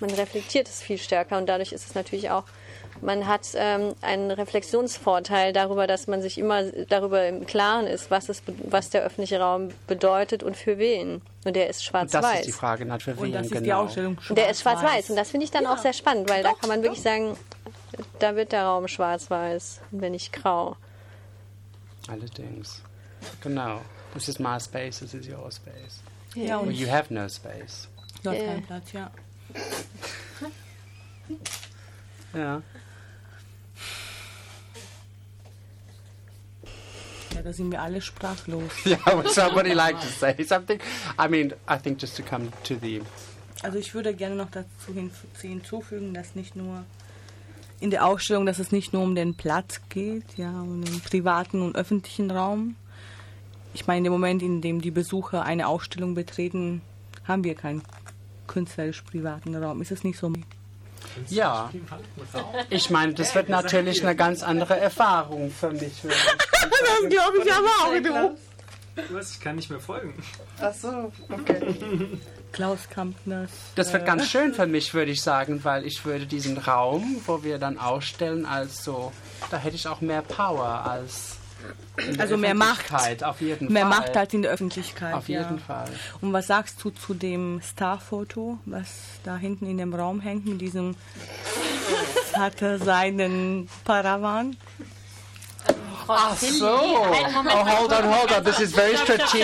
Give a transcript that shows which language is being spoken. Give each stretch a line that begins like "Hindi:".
German: Man reflektiert es viel stärker und dadurch ist es natürlich auch, man hat einen Reflexionsvorteil darüber, dass man sich immer darüber im Klaren ist, was der öffentliche Raum bedeutet und für wen. Und der ist schwarz-weiß. Das ist die Frage, nicht für wen, und das ist genau. Die Ausstellung schwarz-weiß. Der ist schwarz-weiß. Und das finde ich dann auch sehr spannend, weil da kann man wirklich sagen, da wird der Raum schwarz-weiß, wenn nicht grau. Allerdings. Genau.
English: This is my space, this is your space.
German: Ja,
English: well, you have no space.
German: Du hast keinen Platz, ja. Ja. Ja, da sind wir alle sprachlos.
English: Yeah, somebody like to say something. I mean, I think just to come to the.
German: Also ich würde gerne noch dazu hinzufügen, dass nicht nur in der Ausstellung, dass es nicht nur um den Platz geht, ja, um den privaten und öffentlichen Raum. Ich meine, in dem Moment, in dem die Besucher eine Ausstellung betreten, haben wir keinen künstlerisch privaten Raum. Ist es nicht so? Ja, ich meine, das wird natürlich eine ganz andere Erfahrung für mich. Das glaube ich aber auch, du. Was, ich kann nicht mehr folgen. Ach so, okay. Klaus Kampner. Das wird ganz schön für mich, würde ich sagen, weil ich würde diesen Raum, wo wir dann ausstellen, als so, da hätte ich auch mehr Power als also mehr Macht, auf jeden mehr Fall. Macht als in der Öffentlichkeit. Auf jeden Fall. Und was sagst du zu dem Starfoto, was da hinten in dem Raum hängt, mit diesem Vater seinen Paravan? Ach so.
English: Oh, hold on, hold on. This is very strategic.